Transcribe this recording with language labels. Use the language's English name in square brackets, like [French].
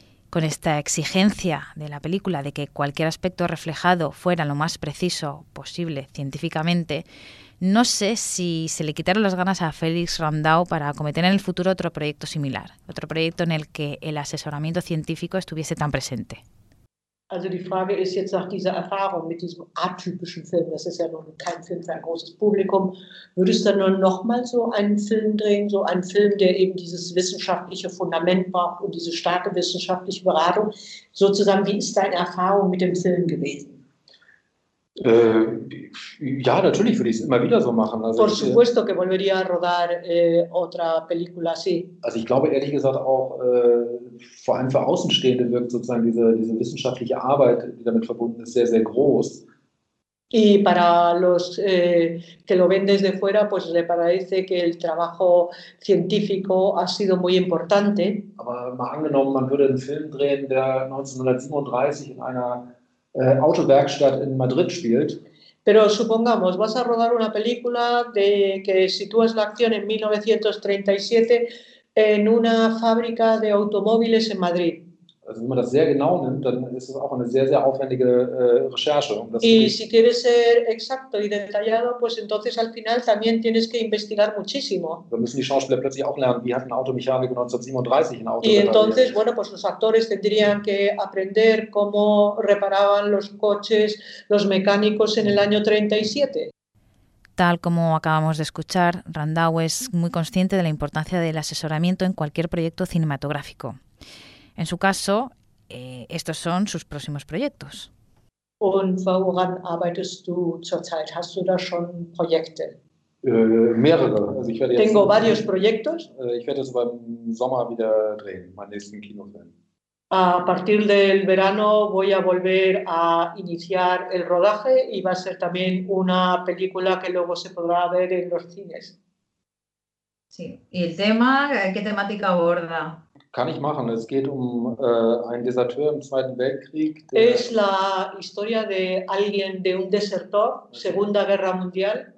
[Spanish] Con esta exigencia de la película de que cualquier aspecto reflejado fuera lo más preciso posible científicamente, no sé si se le quitaron las ganas a Felix Randau para acometer en el futuro otro proyecto similar, otro proyecto en el que el asesoramiento científico estuviese tan presente. [German] Also die Frage ist jetzt nach dieser Erfahrung mit diesem atypischen Film, das ist ja nun kein Film für ein großes Publikum, würdest du dann noch mal so einen Film drehen, so einen Film, der eben dieses wissenschaftliche Fundament braucht und diese starke wissenschaftliche Beratung, sozusagen, wie ist deine Erfahrung mit dem Film gewesen? Ja, natürlich würde ich es immer wieder so machen. [Spanish] Also por supuesto que volvería a rodar otra película así. [German] Also ich glaube ehrlich gesagt auch, vor allem für Außenstehende wirkt sozusagen diese wissenschaftliche Arbeit, die damit verbunden ist, sehr, sehr groß. [Spanish] Y para los que lo ven desde fuera, pues le parece que el trabajo científico ha sido muy importante. [German] Aber mal angenommen, man würde einen Film drehen, der 1937 in einer Autowerkstatt in Madrid spielt. [Spanish] Pero supongamos, vas a rodar una película de que sitúas la acción en 1937 en una fábrica de automóviles en Madrid. [German] Also, wenn man das sehr genau nimmt, dann ist es auch eine sehr, sehr aufwendige Recherche. [Spanish] Y si quieres ser exacto y detallado, pues entonces al final también tienes que investigar muchísimo. [German] Dann müssen die Schauspieler plötzlich auch lernen, wie hat ein Automechaniker 1937 ein Auto [Spanish] y entonces, bueno, pues los actores tendrían que aprender cómo reparaban los coches, los mecánicos en el año 37. Tal como acabamos de escuchar, Randau es muy consciente de la importancia del asesoramiento en cualquier proyecto cinematográfico. En su caso, estos son sus próximos proyectos. [German] Und woran arbeitest du zurzeit? Hast du da schon Projekte? Mehrere. Also ich werde [Spanish] tengo jetzt, varios proyectos. [German] Ich werde so beim Sommer wieder drehen, meinen nächsten Kinofilm. [Spanish] A partir del verano voy a volver a iniciar el rodaje y va a ser también una película que luego se podrá ver en los cines. Sí. ¿Y el tema? ¿Qué temática aborda? [German] Kann ich machen. Es geht um einen Deserteur im Zweiten Weltkrieg. [Spanish] Es la historia de alguien, de un desertor, Segunda Guerra Mundial.